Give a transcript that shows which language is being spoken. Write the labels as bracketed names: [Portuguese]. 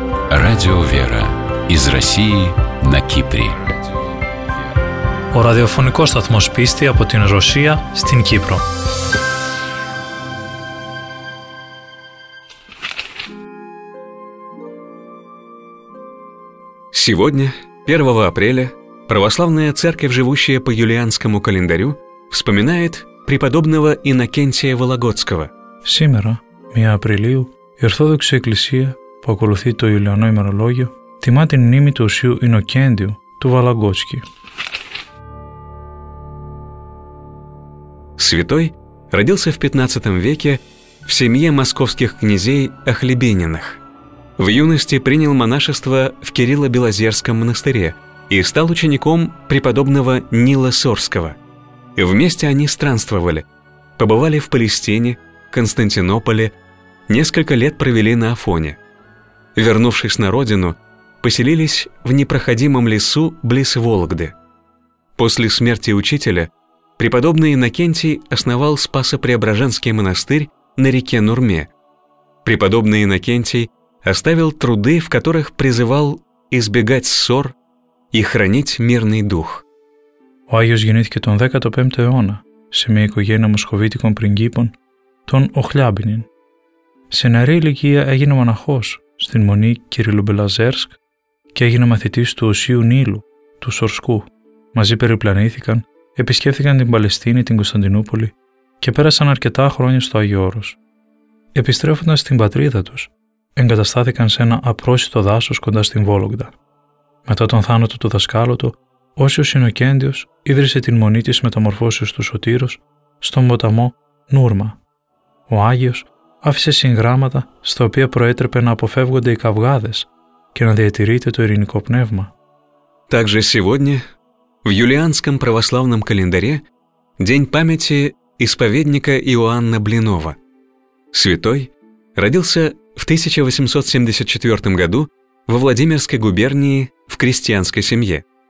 [Russian] Радио «Вера» из России на Кипре. [Greek] Ο ραδιοφωνικός σταθμός πίστη από την Ρωσία στην Κύπρο. [Russian] Сегодня, 1 апреля, православная церковь, живущая по юлианскому календарю, вспоминает преподобного Иннокентия Вологодского. Сегодня, 1 апреля, [Greek] η Ορθόδοξη Εκκλησία, που ακολουθεί το Ιουλιανό ημερολόγιο, τιμά την μνήμη του Οσίου Ινοκέντιου, του Βαλαγκότσκη. [Russian] Святой родился в 15 веке в семье московских князей Охлебининых. В юности принял монашество в Кирилло-Белозерском монастыре и стал учеником преподобного Нила Сорского. Вместе они странствовали, побывали в Палестине, Константинополе, несколько лет провели на Афоне. Вернувшись на родину, поселились в непроходимом лесу близ Вологды. После смерти учителя преподобный Иннокентий основал Спасо-Преображенский монастырь на реке Нурме. Преподобный Иннокентий оставил труды, в которых призывал избегать ссор и хранить мирный дух. [Greek] Ο Άγιος γεννήθηκε τον 15ο αιώνα σε μια οικογένεια μοσχοβίτικων πριγκίπων, των Οχλιάμπινιν. Σε νεαρή ηλικία έγινε μοναχός στην μονή Κυριλλομπελαζέρσκ και έγινε μαθητής του Οσίου Νίλου, του Σορσκού. Μαζί περιπλανήθηκαν, επισκέφθηκαν την Παλαιστίνη, την Κωνσταντινούπολη και πέρασαν αρκετά χρόνια στο Άγιο Όρος. Επιστρέφοντας στην πατρίδα τους, εγκαταστάθηκαν σε ένα απρόσιτο δάσος κοντά στην Βόλογδα. Μετά τον θάνατο του δασκάλου του, Όσιος Ινοκέντιος ίδρυσε την μονή της Μεταμορφώσεως του Σωτήρος στον ποταμό Νούρμα. Ο Άγιος άφησε συγγράμματα στα οποία προέτρεπε να αποφεύγονται οι καυγάδες και να διατηρείται το ειρηνικό πνεύμα. [Russian] Также сегодня, в юлианском православном календаре, день памяти исповедника Иоанна Блинова. Святой родился в 1874 году во Владимирской губернии в крестьянской семье.